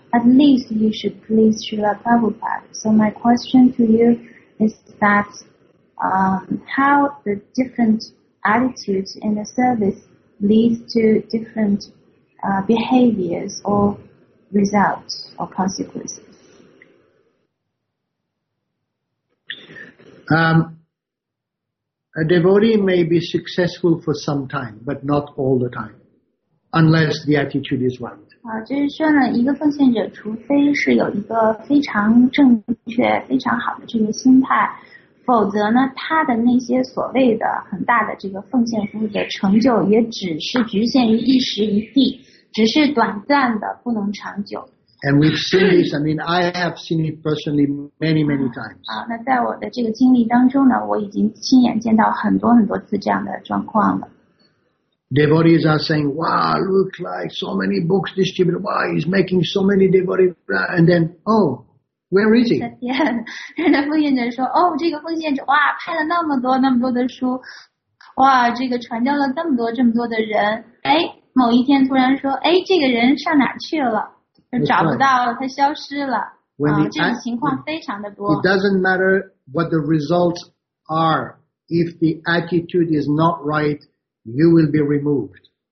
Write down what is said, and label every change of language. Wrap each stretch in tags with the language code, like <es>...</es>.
<en>At least you should please Srila Prabhupada. So my question to you is that how the different attitudes in the service leads to different behaviors or results or consequences? A devotee may be successful for some time, but not all the time. Unless the attitude is right.</en> <zh>就是说呢，一个奉献者，除非是有一个非常正确、非常好的这个心态，否则呢，他的那些所谓的很大的这个奉献服务的成就，也只是局限于一时一地，只是短暂的，不能长久。</zh> <en>And we've seen this. I mean, I have seen it personally many, many times.</en> <zh>那在我的这个经历当中呢，我已经亲眼见到很多很多次这样的状况了。</zh> <en>devotees are saying, wow, look like so many books distributed. Wow, he's making so many devotees. And then, oh, where is he?</en> <zh>然后奉献者说，哦，这个奉献者，哇，派了那么多，那么多的书，哇，这个传教了这么多，这么多的人，哎，某一天突然说，哎，这个人上哪去了？找不到，他消失了。啊，这种情况非常的多。</zh> <en>It doesn't matter what the results are. If the attitude is not right, you will be removed.</en>